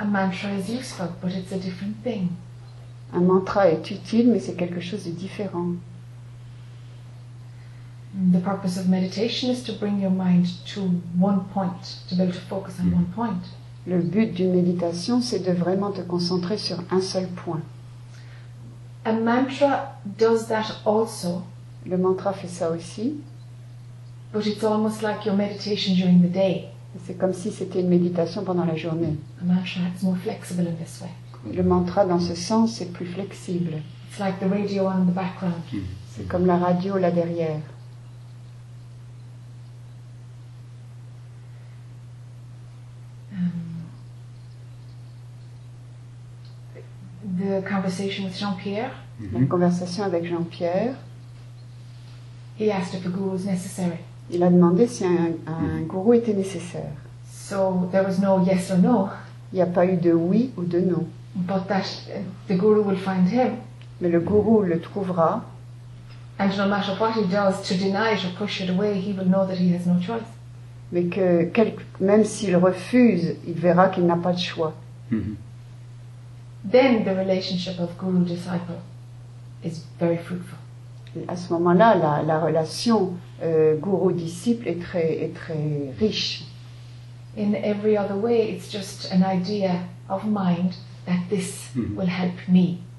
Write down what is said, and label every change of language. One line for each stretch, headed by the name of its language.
English: A mantra is useful, but it's a different thing.
French: Un mantra est utile, mais c'est quelque chose de différent.
English: The purpose of meditation is to bring your mind to one point, to be able to focus on one point.
French: Le but d'une méditation, c'est de vraiment te concentrer sur un seul point.
English: A mantra does that also.
French: Le mantra fait ça aussi.
English: But it's almost like your meditation during the day.
French: C'est comme si c'était une méditation pendant la journée.
English: A mantra is more flexible in this way.
French: Le mantra dans ce sens est plus flexible.
English: It's like the radio on the background.
French: C'est comme la radio là derrière.
English: The conversation with Jean-Pierre.
French: La conversation avec Jean-Pierre.
English: He asked if a guru was necessary.
French: Il a demandé si un gourou était nécessaire.
English: So there was no yes or no.
French: Il n'y a pas eu de oui ou de non.
English: But that the guru will find him.
French: Mais le gourou le trouvera.
English: And no matter what he does to deny it or push it away, he will know that he has no choice.
French: Mais que même s'il refuse, il verra qu'il n'a pas de choix.
English: Then the relationship of guru disciple is very fruitful.
French: Et à ce moment-là, la relation gourou disciple est très riche.
English: In every other way, it's just an idea of mind that this will help me.